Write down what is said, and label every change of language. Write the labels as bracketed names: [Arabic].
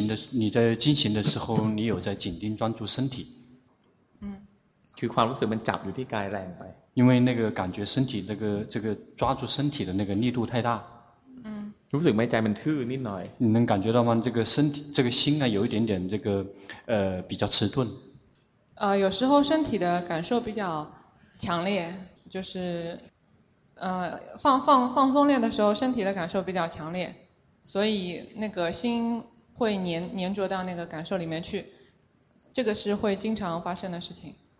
[Chinese] 你在进行的时候你有在紧盯专注身体 [Thai] คือความรู้สึกมันจับอยู่ที่กายแรงไป [Chinese] 因为那个感觉身体那个这个抓住身体的那个力度太大 [Thai] รู้สึกไหมใจมันทื่อนิดหน่อย [Chinese] 你能感觉到吗这个身体这个心啊有一点点这个比较迟钝有时候身体的感受比较强烈就是放松练的时候身体的感受比较强烈所以那个心会粘着到那个感受里面去这个是会经常发生的事情